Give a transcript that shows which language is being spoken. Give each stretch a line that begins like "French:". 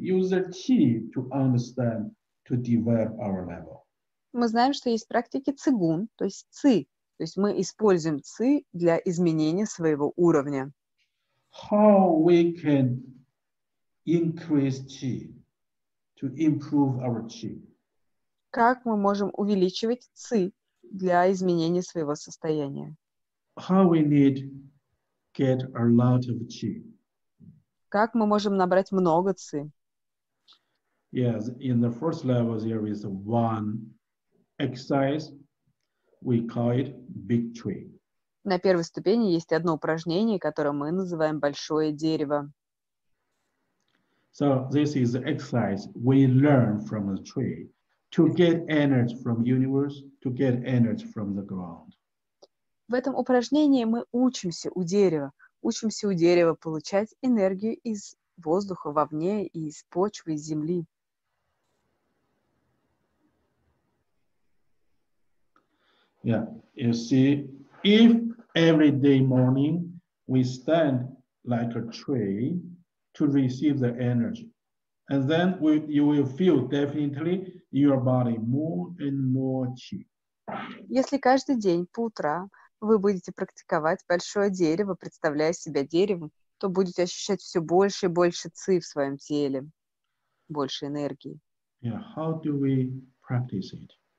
English: Use the qi to understand, to develop our level.
Russian: Мы знаем, что есть практики цигун, то есть ци. То есть мы используем ци для изменения своего уровня.
English: How we can increase qi? To improve our qi.
Russian: Как мы можем увеличивать ци для изменения своего состояния?
English: How we need get a lot of qi.
Russian: Как мы можем набрать много ци?
English: Yes, in the first level there is one exercise. We call it big tree.
Russian: На первой ступени есть одно упражнение, которое мы называем большое дерево.
English: So this is the exercise we learn from the tree to get energy from universe, to get energy from the ground.
Russian: В этом упражнении мы учимся у дерева получать энергию из воздуха вовне и из почвы, из земли.
English: Yeah, you see, if every day morning we stand like a tree, to receive the energy. And then you will feel definitely your body more and more qi.
Russian: Если каждый день по утрам вы будете практиковать большое дерево, представляя себя деревом, то будете ощущать все больше и больше ци в своем теле, больше энергии.
English: Yeah, how do we practice it?